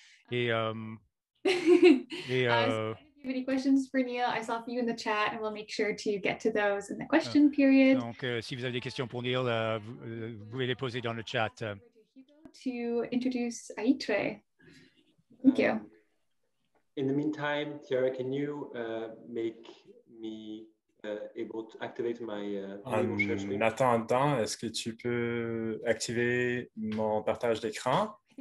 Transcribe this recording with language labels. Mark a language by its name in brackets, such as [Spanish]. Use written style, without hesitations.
[English] if you have any questions for Neil, I saw a few in the chat and we'll make sure to get to those in the question period. [French] Donc, si vous avez des questions pour Neil, vous pouvez les poser dans le chat. [English] To introduce Aitre. Thank you. In the meantime, Tiara, can you make me able to activate my... [French] En attendant, est-ce que tu peux activer mon partage d'écran?